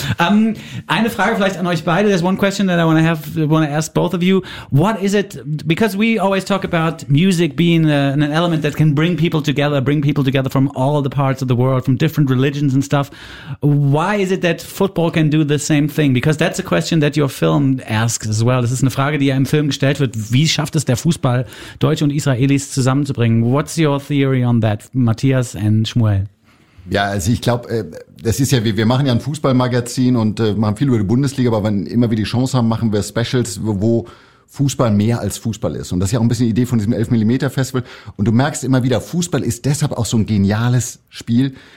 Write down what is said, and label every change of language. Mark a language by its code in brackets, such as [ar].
[de] Eine Frage vielleicht an euch beide. [en] There's one question that I want to ask both of you. What is it, because we always talk about music being an element that can bring people together from all the parts of the world, from different religions and stuff. Why is it that football can do the same thing? Because that's a question that your film asks as well. [de] Das ist eine Frage, die ja im Film gestellt wird. Wie schafft es der Fußball, Deutsche und Israelis zusammenzubringen? [en] What's your theory on that, Matthias and Shmuel? [de] Ja, also ich glaube, das ist ja, wir machen ja ein Fußballmagazin und machen viel über die Bundesliga, aber wenn immer wir die Chance haben, machen wir Specials, wo Fußball mehr als Fußball ist. Und das ist ja auch ein bisschen die Idee von diesem 11mm-Festival. Und du merkst immer wieder, Fußball ist deshalb auch so ein geniales Spiel.